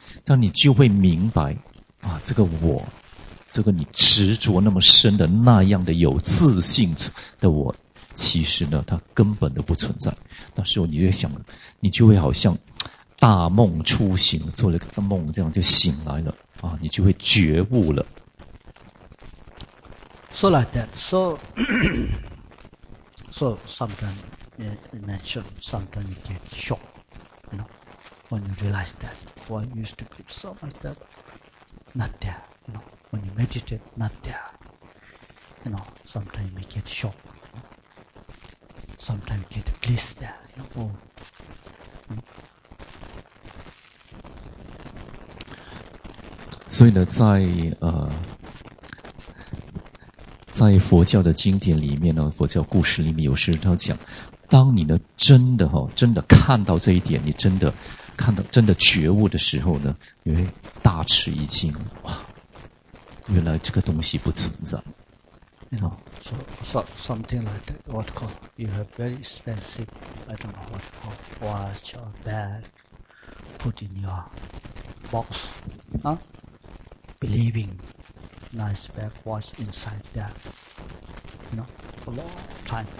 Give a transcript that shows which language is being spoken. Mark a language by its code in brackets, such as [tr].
[zh] 这样你就会明白，啊，这个我，这个你执着那么深的那样的有自信的我，其实呢，它根本都不存在。那时候你就想，你就会好像大梦初醒，做了个梦，这样就醒来了，啊，你就会觉悟了。 [en] So like that. So, so sometimes you mentioned, sometimes you get shocked, you know, when you realize that. One used to believe so much that not there, you know, when you meditate, not there, you know, sometimes you get shocked, you know? Sometimes you get bliss there, you know, or, you know. [zh] 所以呢，在在佛教的经典里面呢，佛教故事里面有时他讲，当你呢真的哈、哦，真的看到这一点，你真的。看到真的觉悟的时候呢，你会大吃一惊，哇！原来这个东西不存在。 [en] You know, so, so something like that, what call? You have very expensive, I don't know what call, watch or bag, put in your box, huh? Believing nice bag watch inside there, you know, for a long time.